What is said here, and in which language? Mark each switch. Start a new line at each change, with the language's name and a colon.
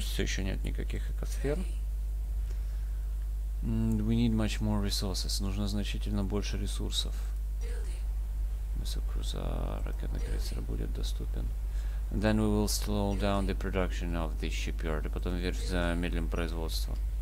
Russian: Все еще нет никаких экосфер.
English: We need much more resources.
Russian: Нужно значительно больше ресурсов. Мисокрузер, ракетный крейсер будет доступен.
English: And then we will slow down the production of the shipyard.
Russian: Потом верфь замедлим производство.